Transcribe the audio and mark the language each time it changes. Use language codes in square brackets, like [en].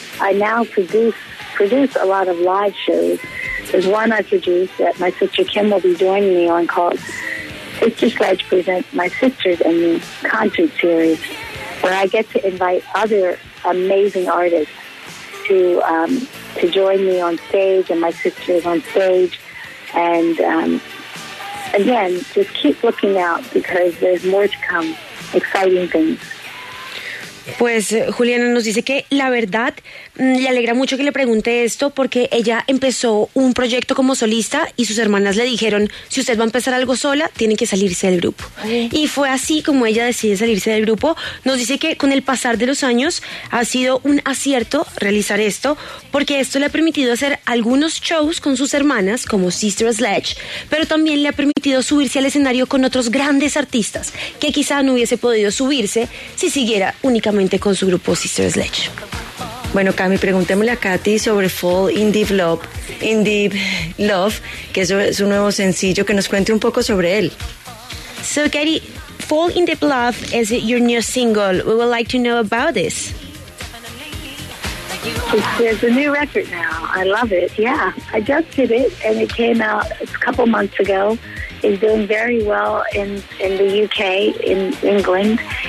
[en] I now produce a lot of live shows. There's one I produce that my sister Kim will be joining me on called Sister Sledge Presents My Sisters and Me Concert Series, where I get to invite other amazing artists to join me on stage and my sisters on stage. And again, just keep looking out because there's more to come, exciting things. [es] Pues Juliana nos dice que la verdad le alegra mucho que le pregunte esto porque ella empezó un proyecto como solista y sus hermanas le dijeron, si usted va a empezar algo sola, tiene que salirse del grupo. Y fue así como ella decide salirse del grupo. Nos dice que con el pasar de los años ha sido un acierto realizar esto porque esto le ha permitido hacer algunos shows con sus hermanas como Sister Sledge, pero también le ha permitido subirse al escenario con otros grandes artistas que quizá no hubiese podido subirse si siguiera únicamente con su grupo Sister Sledge. Bueno, Cami, preguntémosle a Katy sobre Fall in Deep Love, que es su nuevo sencillo, que nos cuente un poco sobre él. [en] So, Katy, Fall in Deep Love is your new single. We would like to know about this. There's a new record now. I love it. Yeah, I just did it, and it came out a couple months ago. It's doing very well in the UK, in England.